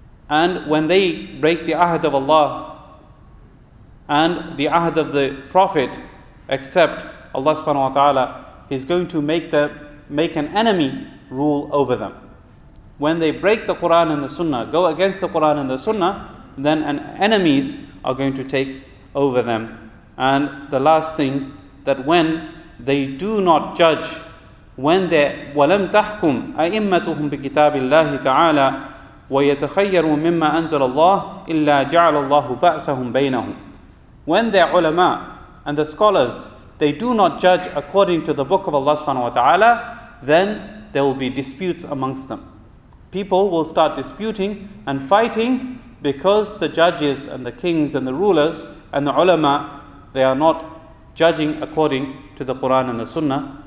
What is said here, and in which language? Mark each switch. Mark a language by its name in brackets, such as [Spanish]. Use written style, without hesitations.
[English] And when they break the ahd of Allah and the ahd of the Prophet, except Allah subhanahu wa ta'ala, He's going to make an enemy rule over them. When they break the Qur'an and the Sunnah, go against the Qur'an and the Sunnah, then enemies are going to take over them. And the last thing, that when they [Arabic] do not judge, when they وَلَمْ تَحْكُمْ أَئِمَّتُهُمْ بِكِتَابِ اللَّهِ تَعَالَى وَيَتَخَيَّرُوا مِمَّا أَنزَلَ اللَّهُ إِلَّا جَعَلَ اللَّهُ بَأْسَهُمْ بَيْنَهُمْ. [English] When their ulama and the scholars, they do not judge according to the book of Allah subhanahu wa ta'ala, then there will be disputes amongst them. People will start disputing and fighting because the judges and the kings and the rulers and the ulama, they are not judging according to the Qur'an and the Sunnah.